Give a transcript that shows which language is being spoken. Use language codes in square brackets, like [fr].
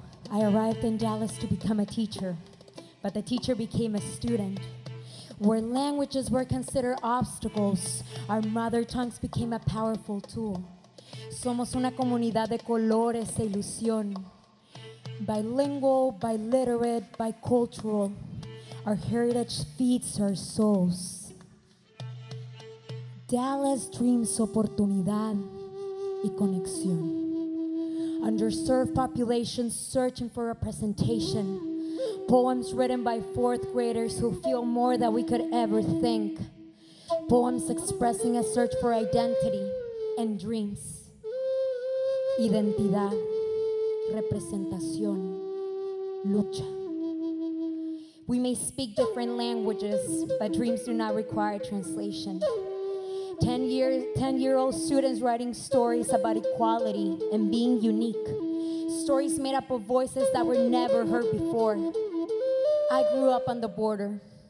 [en] I arrived in Dallas to become a teacher, but the teacher became a student. Where languages were considered obstacles, our mother tongues became a powerful tool. [es] Somos una comunidad de colores e ilusión. [en] Bilingual, biliterate, bicultural, our heritage feeds our souls. Dallas dreams [es] oportunidad y conexión. [en] Underserved populations searching for representation. Poems written by fourth graders who feel more than we could ever think. Poems expressing a search for identity and dreams. [es] Identidad, representación, lucha. [en] We may speak different languages, but dreams do not require translation. 10-year-old students writing stories about equality and being unique. Stories made up of voices that were never heard before. I grew up on the border.